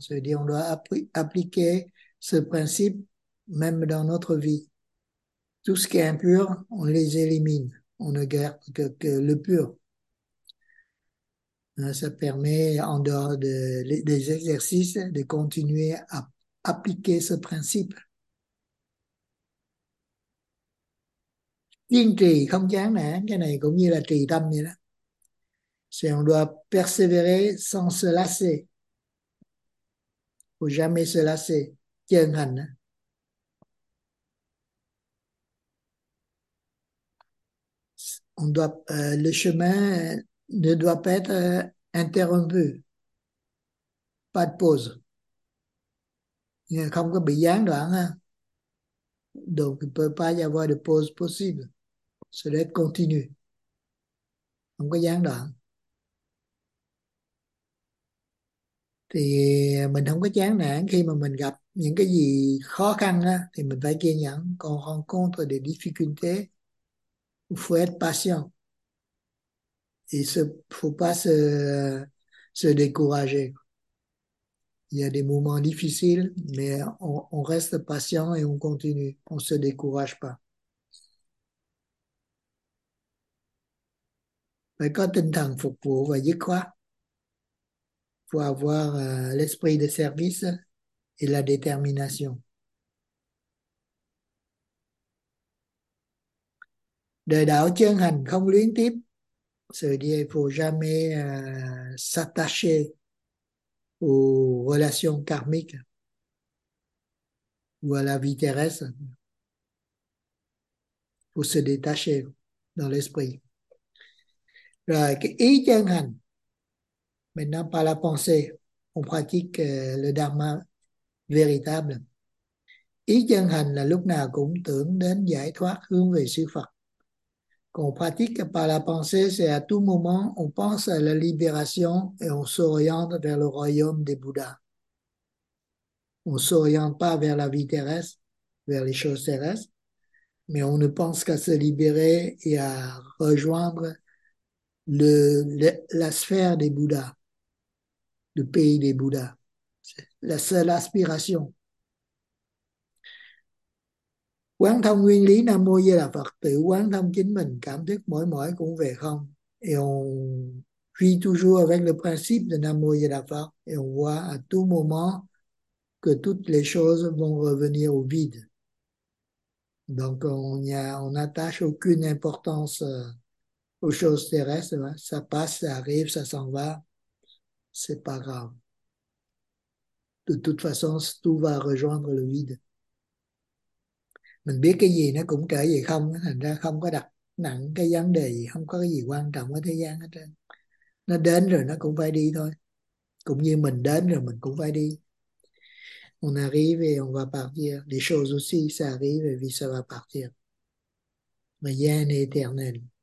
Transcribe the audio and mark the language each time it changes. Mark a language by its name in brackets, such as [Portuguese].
[French] C'est-à-dire on doit appliquer ce principe même dans notre vie. Tout ce qui est impur, on les élimine. On ne garde que le pur. Ça permet, en dehors des exercices, de continuer à appliquer ce principe. [Vietnamese] Kiên trì, không chán nản, cái này cũng như là trì tâm vậy đó. [French] C'est on doit persévérer sans se lasser. Faut jamais se lasser. [Vietnamese] Chân hành đó. [French] On doit, le chemin ne doit pas être interrompu. Pas de pause. [Vietnamese] Không có bị gián đoạn ha. [French] Donc, il peut pas y avoir de pause possible. Ça doit être continu. [Vietnamese] Không có gián đoạn. Thì mình không có chán nản khi mà mình gặp những cái gì khó khăn á, thì mình phải kiên nhẫn. [French] Còn rencontre des difficultés, il faut être patient. Et ce, faut pas se décourager. Il y a des moments difficiles, mais on reste patient et on continue. On se décourage pas. [Vietnamese] Phải có tinh thần phục vụ và dứt khoát. [French] Faut avoir l'esprit de service et la détermination. [Vietnamese] Đời đạo chân hành không luyến tiếc, sự đi phù [French] jamais s'attacher aux relations karmiques ou à la vie terrestre, pour se détacher dans l'esprit. [Vietnamese] Rồi cái ý chân hành, [French] maintenant par la pensée, on pratique le dharma véritable. [Vietnamese] Ý chân hành là lúc nào cũng tưởng đến giải thoát hướng về sự Phật. [French] Qu'on pratique par la pensée, c'est à tout moment, on pense à la libération et on s'oriente vers le royaume des Bouddhas. On ne s'oriente pas vers la vie terrestre, vers les choses terrestres, mais on ne pense qu'à se libérer et à rejoindre la sphère des Bouddhas, le pays des Bouddhas. C'est la seule aspiration. [Vietnamese] Quán thông nguyên lý Nam Mô Di Đà Phật, tự quán thông chính mình, cảm thức mỗi mỗi cũng về không. [French] Et on vit toujours avec le principe de Nam Mô Di Đà Phật et on voit à tout moment que toutes les choses vont revenir au vide. Donc on n'attache aucune importance aux choses terrestres. Hein. Ça passe, ça arrive, ça s'en va. C'est pas grave. De toute façon, tout va rejoindre le vide. [Vietnamese] Mình biết cái gì nó cũng trở về không, thành ra không có đặt nặng cái vấn đề gì, không có cái gì quan trọng ở thế gian hết trơn. Nó đến rồi nó cũng phải đi thôi, cũng như mình đến rồi mình cũng phải đi. [French] On arrive et on va partir, les choses aussi ça arrive et puis ça va partir, mais rien n'est éternel.